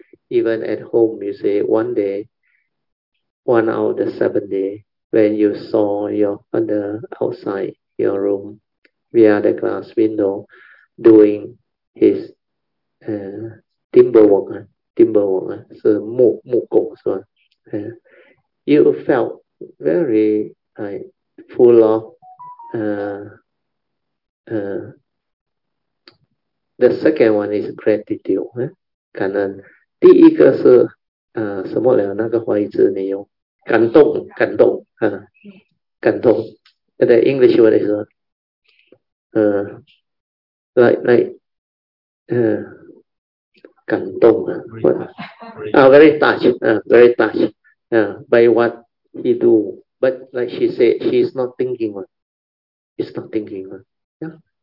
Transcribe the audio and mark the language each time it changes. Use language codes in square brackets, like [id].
[en] Even at home, you say one day, one out of the 7 day, when you saw your father outside your room via the glass window doing his timber work, [zh] 是木工是吧？ [en] You felt very like full of the second one is gratitude. [zh] 感恩，第一个是什么了？那个话语字你用感动，感动啊，感动。 [en] The English word is like [zh] 感动啊， [en] very touch. By what he do, but like she said, she's not thinking one. It's not thinking one. Yeah.